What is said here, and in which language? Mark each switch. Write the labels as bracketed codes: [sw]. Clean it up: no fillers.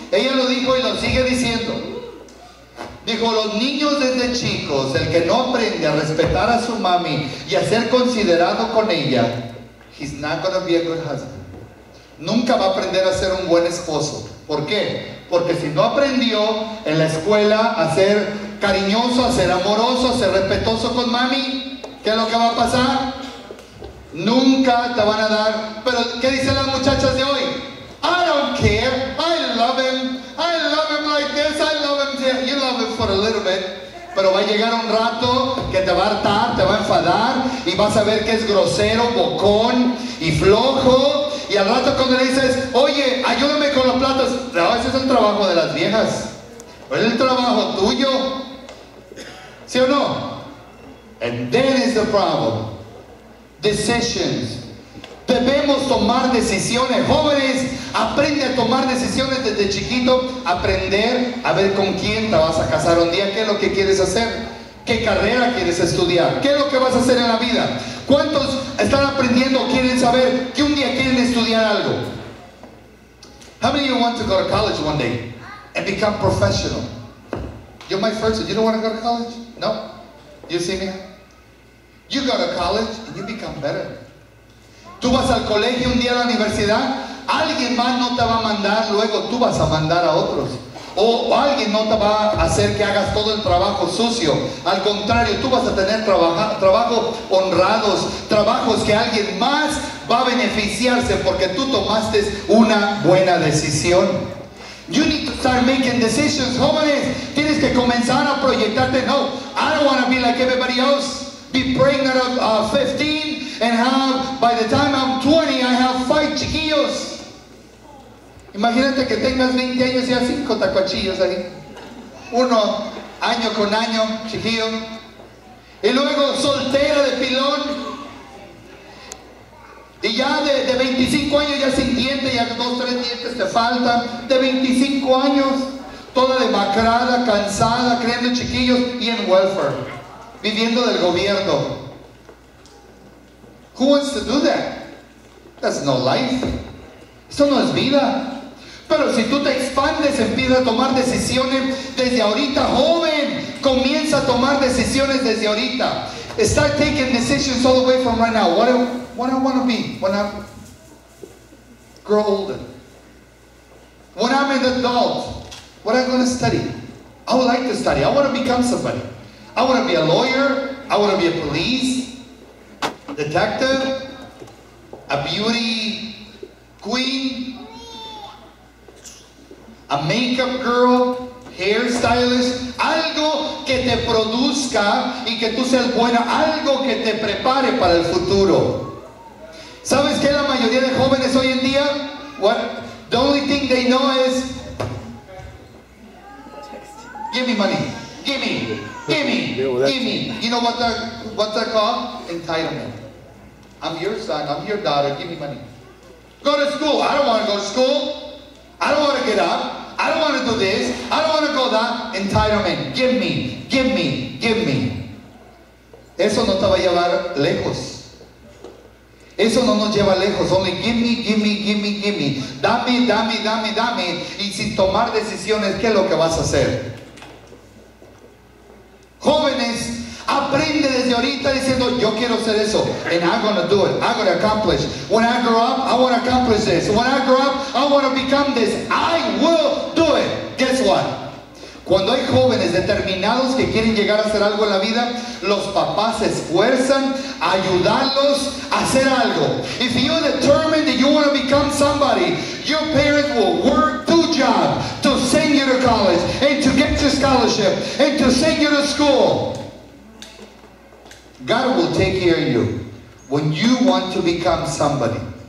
[es] Ella lo dijo y lo sigue diciendo. Dijo, los niños desde chicos, el que no aprende a respetar a su mami y a ser considerado con ella, [en] he's not gonna be a good husband. [es] Nunca va a aprender a ser un buen esposo. ¿Por qué? Porque si no aprendió en la escuela a ser cariñoso, a ser amoroso, a ser respetuoso con mami, ¿qué es lo que va a pasar? Nunca te van a dar. Pero ¿qué dicen las muchachas de hoy? [en] I don't care, I love him like this, I love him, yeah. You love him for a little bit. [es] Pero va a llegar un rato que te va a hartar, te va a enfadar y vas a ver que es grosero, bocón y flojo. Y al rato cuando le dices, oye, ayúdame con los platos, no, ese es el trabajo de las viejas. Es el trabajo tuyo, ¿sí o no? [en] And then is the problem. Decisions. [es] Debemos tomar decisiones. Jóvenes, aprende a tomar decisiones desde chiquito. Aprender a ver con quién te vas a casar un día. ¿Qué es lo que quieres hacer? ¿Qué carrera quieres estudiar? ¿Qué es lo que vas a hacer en la vida? ¿Cuántos están aprendiendo o quieren saber que un día quieren estudiar algo? [en] How many of you want to go to college one day and become professional? You're my first. You don't want to go to college? No? You see me? You go to college and you become better. [es] Tú vas al colegio un día a la universidad, alguien más no te va a mandar, luego tú vas a mandar a otros. O alguien no te va a hacer que hagas todo el trabajo sucio. Al contrario, tú vas a tener trabajo honrados, trabajos que alguien más va a beneficiarse porque tú tomaste una buena decisión. [en] You need to start making decisions, jóvenes. [es] Tienes que comenzar a proyectarte. [en] No, I don't want to be like everybody else. Be pregnant at 15 and have, by the time I'm 20, I have 5 chiquillos. [es] Imagínate que tengas 20 años y ya 5 tacuachillos ahí. Uno año con año, chiquillo. Y luego soltera de pilón. Y ya de 25 años ya sin dientes, ya 2-3 dientes te faltan. De 25 años, toda demacrada, cansada, creando chiquillos y en welfare, viviendo del gobierno. [en] Who wants to do that? That's no life. [es] Eso no es vida. Pero si tú te expandes, empieza a tomar decisiones desde ahorita, joven. Comienza a tomar decisiones desde ahorita. [en] Start taking decisions all the way from right now. What I want to be when I grow older. When I'm an adult, what I'm going to study. I would like to study. I want to become somebody. I want to be a lawyer. I want to be a police, detective, a beauty queen, a makeup girl, hairstylist, [es] algo que te produzca y que tú seas buena, algo que te prepare para el futuro. ¿Sabes qué la mayoría de jóvenes hoy en día? [en] What? The only thing they know is, give me money, give me, give me, give me. You know what's that called? Entitlement. I'm your son, I'm your daughter, give me money. Go to school. I don't want to go to school. I don't want to get up. I don't want to do this. I don't want to go that. Entitlement. Give me. Give me. Give me. [es] Eso no te va a llevar lejos. Eso no nos lleva lejos. [en] Only give me, give me, give me, give me. [es] Dame, dame, dame, dame. Y sin tomar decisiones, ¿qué es lo que vas a hacer? Jóvenes, aprende desde ahorita diciendo, yo quiero hacer eso. [en] And I'm going to do it. I'm going to accomplish. When I grow up, I want to accomplish this. When I grow up, I want to become this. I will do it. Guess what? [es] Cuando hay jóvenes determinados que quieren llegar a hacer algo en la vida, los papás se esfuerzan a ayudarlos a hacer algo. [en] If you're determined that you want to become somebody, your parents will work two jobs to send you to college and to get your scholarship and to send you to school. God will take care of you when you want to become somebody.